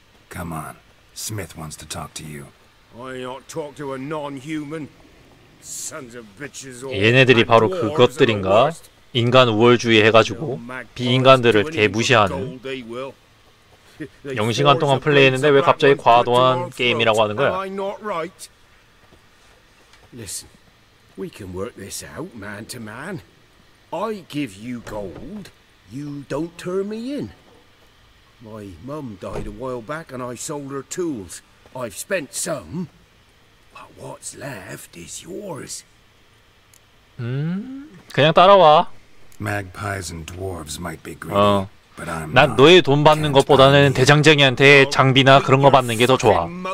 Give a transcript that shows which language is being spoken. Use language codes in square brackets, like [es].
[en] Come on, Smith wants to talk to you. I not talk to a non-human. Sons of bitches. [ko] 얘네들이 바로 그것들인가? 인간 우월주의 해가지고 비인간들을 개무시하는. 영시간 동안 플레이했는데 왜 갑자기 과도한 게임이라고 하는 거야? [en] Listen, we can work this out, man to man. I give you gold, you don't turn me in. My mum died a while back and I sold her tools. I've spent some, but what's left is yours. [ko] 그냥 따라와. [en] Magpies and dwarves might be greedy, but I'm not. [ko] 난 너의 돈 받는 것보다는 대장쟁이한테 장비나 그런 거 받는 게 더 좋아.